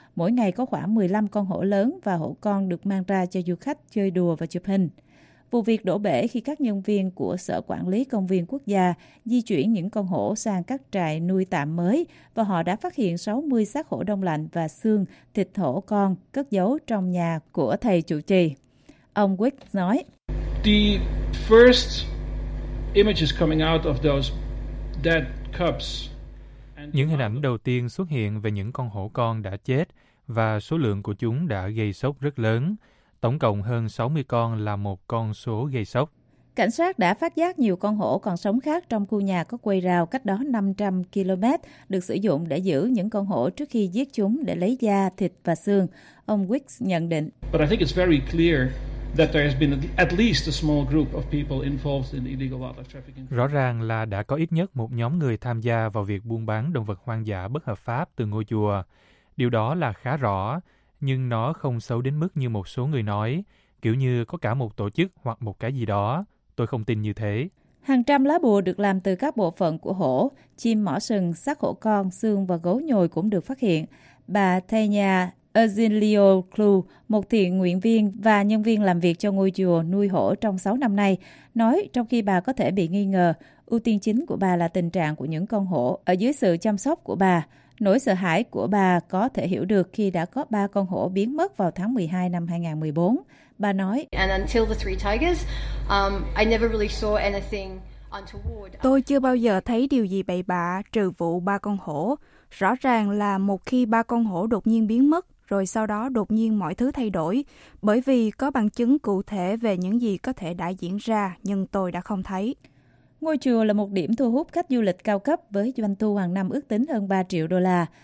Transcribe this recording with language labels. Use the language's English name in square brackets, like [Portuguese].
[Vietnamese] Mỗi ngày có khoảng 15 con hổ lớn và hổ con được mang ra cho du khách chơi đùa và chụp hình. Vụ việc đổ bể khi các nhân viên của Sở Quản lý Công viên Quốc gia di chuyển những con hổ sang các trại nuôi tạm mới và họ đã phát hiện 60 xác hổ đông lạnh và xương, thịt hổ con cất giấu trong nhà của thầy chủ trì. Ông Wick nói, [English] "The first images coming out of those dead cubs." [Vietnamese] Những hình ảnh đầu tiên xuất hiện về những con hổ con đã chết và số lượng của chúng đã gây sốc rất lớn. Tổng cộng hơn 60 con là một con số gây sốc. Cảnh sát đã phát giác nhiều con hổ còn sống khác trong khu nhà có quây rào cách đó 500 km được sử dụng để giữ những con hổ trước khi giết chúng để lấy da, thịt và xương. Ông Wicks nhận định. [English] But I think it's very clear that there has been at least a small group of people involved in illegal wildlife trafficking. [Vietnamese] Rõ ràng là đã có ít nhất một nhóm người tham gia vào việc buôn bán động vật hoang dã bất hợp pháp từ ngôi chùa. Điều đó là khá rõ, nhưng nó không xấu đến mức như một số người nói, kiểu như có cả một tổ chức hoặc một cái gì đó. Tôi không tin như thế. Hàng trăm lá bùa được làm từ các bộ phận của hổ, chim mỏ sừng, xác hổ con, xương và gấu nhồi cũng được phát hiện. Bà Tanya Azilio Klu, một thiện nguyện viên và nhân viên làm việc cho ngôi chùa nuôi hổ trong 6 năm nay, nói trong khi bà có thể bị nghi ngờ, ưu tiên chính của bà là tình trạng của những con hổ ở dưới sự chăm sóc của bà. Nỗi sợ hãi của bà có thể hiểu được khi đã có 3 con hổ biến mất vào tháng 12 năm 2014. Bà nói, [English] and until the three tigers, I never really saw anything untoward. [Vietnamese] Tôi chưa bao giờ thấy điều gì bậy bạ trừ vụ 3 con hổ. Rõ ràng là một khi 3 con hổ đột nhiên biến mất, rồi sau đó đột nhiên mọi thứ thay đổi, bởi vì có bằng chứng cụ thể về những gì có thể đã diễn ra, nhưng tôi đã không thấy. Ngôi chùa là một điểm thu hút khách du lịch cao cấp với doanh thu hàng năm ước tính hơn 3 triệu đô la.